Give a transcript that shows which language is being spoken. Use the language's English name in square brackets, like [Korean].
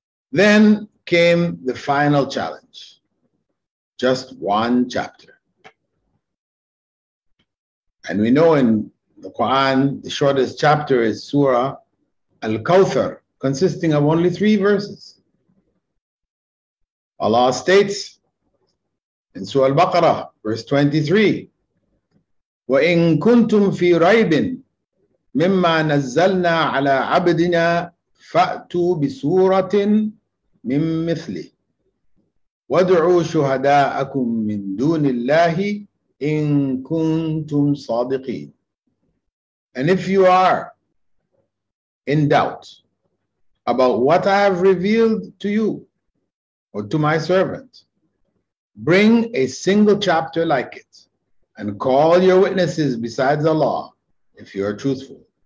[English] Then came the final challenge. Just one chapter. And we know in the Quran, the shortest chapter is Surah Al-Kawthar, consisting of only three verses. Allah states in Surah Al-Baqarah, verse 23, [Arabic] وَإِن كُنْتُمْ فِي رَيْبٍ مِمَّا نَزَّلْنَا عَلَىٰ عَبْدِنَا فَأْتُوا بِسُورَةٍ مِّن مِثْلِهِ وَادْعُوا شُهَدَاءَكُم مِّن دُونِ اللَّهِ إِن كُنتُمْ صَادِقِينَ. [English] And if you are in doubt about what I have revealed to you or to my servant, bring a single chapter like it and call your witnesses besides Allah if you are truthful.